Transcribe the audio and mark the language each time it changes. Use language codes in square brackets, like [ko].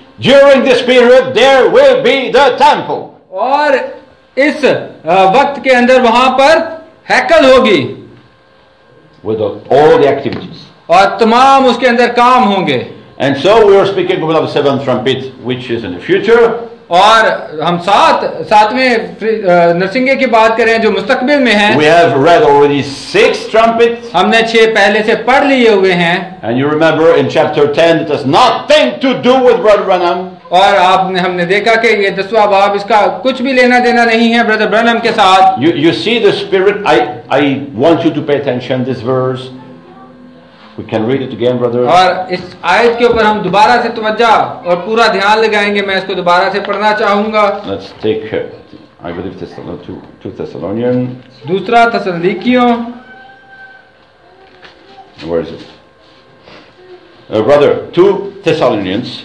[en] During this period, there will be the temple. [hi] और इस वक्त के अंदर वहाँ पर हैकल होगी। [en] With all the activities. [hi] और तमाम उसके अंदर काम होंगे। [en] And so we are speaking about the seventh trumpet, which is in the future. [hi] और हम सातवें नरसिंगे की बात करें जो मुस्तकबिल में है. [en] We have read already six trumpets. [hi] हमने छह पहले से पढ़ लिए हुए हैं. [en] And you remember in chapter 10 it has nothing to do with Brother Branham. [hi] और आपने हमने देखा कि ये दसवां बाब इसका कुछ भी लेना देना नहीं है ब्रदर ब्रैनम के साथ. [en] You see the spirit. I want you to pay attention this verse. We can read it again, brother. [hi] और इस आयत के ऊपर हम दोबारा से तवज्जा और पूरा ध्यान लगाएंगे. मैं इसको दोबारा से पढ़ना चाहूंगा. [en] Let's take I believe two Thessalonians. [hi] दूसरा थसलनीकियों. [en] Where is it? Brother, two Thessalonians.